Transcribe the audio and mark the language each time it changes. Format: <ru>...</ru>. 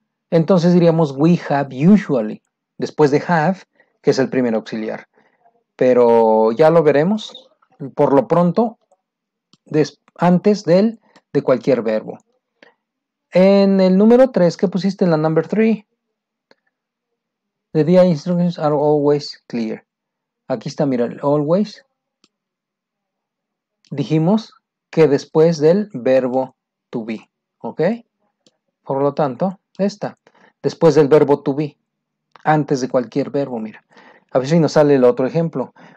<es>Entonces diríamos,</es> <en>we have usually,</en> <es>después de have, que es el primer auxiliar. Pero ya lo veremos, por lo pronto, antes del de cualquier verbo. En el número 3, ¿qué pusiste en la</es> <en>number 3? The DI instructions are always clear.</en> <es>Aquí está, mira, always. Dijimos que después del verbo to be, ¿ok? Por lo tanto, esta. Después del verbo to be, antes de cualquier verbo, mira. A ver si nos sale el otro ejemplo.</es>